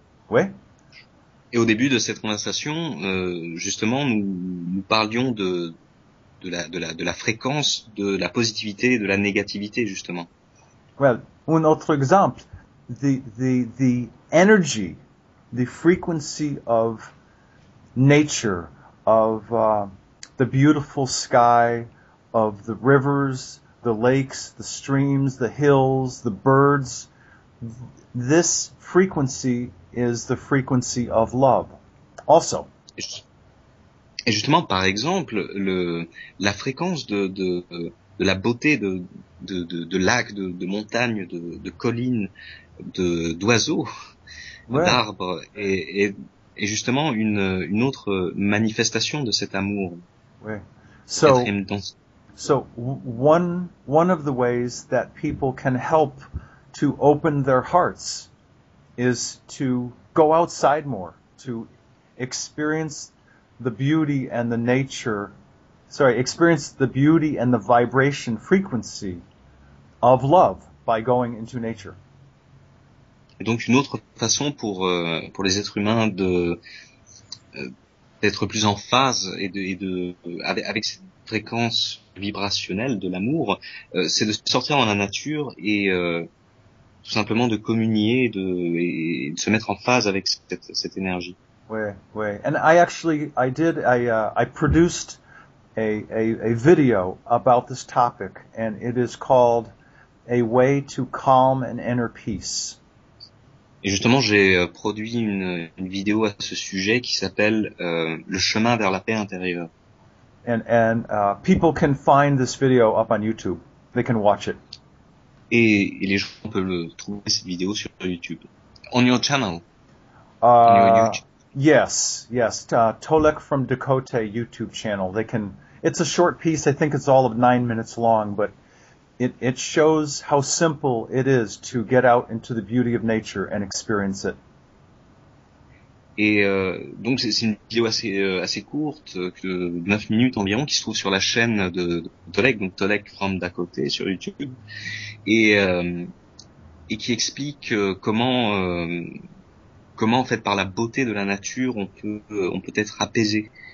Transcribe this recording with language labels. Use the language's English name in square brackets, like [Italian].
[French] Oui? Et au début de cette conversation, justement, nous parlions de la fréquence, de la positivité, de la négativité, justement. [English] Well, [French] un autre exemple, [English] the energy, the frequency of nature, of the beautiful sky, of the rivers, the lakes, the streams, the hills, the birds. This frequency is the frequency of love. Also. [French] Et justement, par exemple, la fréquence de la beauté de lacs, de montagnes, de collines, d'oiseaux, ouais, d'arbres, est justement une autre manifestation de cet amour. Ouais. [English] So one of the ways that people can help to open their hearts is to go outside more, to experience the beauty and the nature, experience the beauty and the vibration frequency of love by going into nature. [French] Et donc une autre façon pour les êtres humains de d'être plus en phase et de avec cette fréquence vibrationnelle de l'amour, c'est de sortir dans la nature et tout simplement de communier et de se mettre en phase avec cette énergie. Oui. [English] And I produced a video about this topic, and it is called A Way to Calm and Inner Peace. [French] Et justement, j'ai produit une vidéo à ce sujet qui s'appelle Le chemin vers la paix intérieure. [English] And people can find this video up on YouTube. They can watch it. [French] Et les gens peuvent trouver cette vidéo sur YouTube. [English] On your channel. On your YouTube. Yes. Tolek from Dakota YouTube channel. It's a short piece. I think it's all of 9 minutes long, but it shows how simple it is to get out into the beauty of nature and experience it. [French] Et donc c'est une vidéo assez courte, que 9 minutes environ, qui se trouve sur la chaîne de Tolek, donc Tolek from Dakota sur YouTube, et qui explique comment en fait par la beauté de la nature on peut être apaisé.